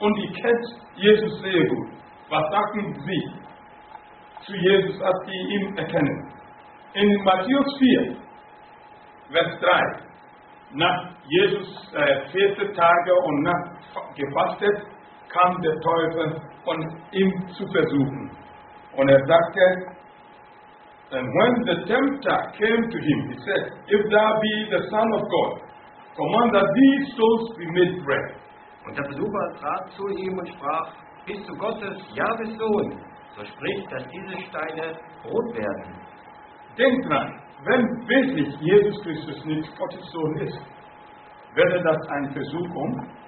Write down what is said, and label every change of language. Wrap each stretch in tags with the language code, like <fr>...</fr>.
<de>Und die kennt Jesus sehr gut. Was sagen sie zu Jesus, als sie ihn erkennen? In Matthäus 4, Vers 3, nach Jesus 40 Tage und nach gefastet, kam der Teufel, um ihn zu versuchen. Und er sagte,</de> <en>and when the tempter came to him, he said, if thou be the Son of God, command that these stones be made bread.</en> <de>Und der Besucher trat zu ihm und sprach, bist du Gottes, Jahwes Sohn, so sprich, dass diese Steine Brot werden. Denk dran, wenn wirklich Jesus Christus nicht Gottes Sohn ist, wäre das eine Versuchung?</de>